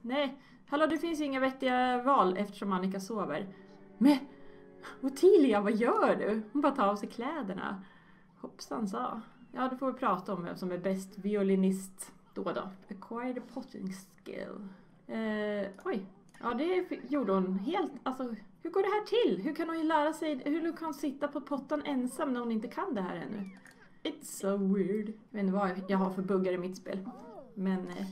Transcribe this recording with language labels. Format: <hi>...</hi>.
<sv>Nej, hallå, det finns inga vettiga val eftersom Annika sover. Men, Ottilia, vad gör du? Hon bara tar av sig kläderna. Hoppsan sa. Ja, då får vi prata om vem som är bäst violinist. Då.</sv> <en>Acquired potting skill.</en> <sv>Oj. Ja, det gjorde hon helt. Alltså, hur går det här till? Hur kan hon lära sig? Hur kan hon sitta på potten ensam när hon inte kan det här ännu?</sv> <en>It's so weird.</en> <sv>Jag vet inte vad jag har för buggar i mitt spel. Men.</sv>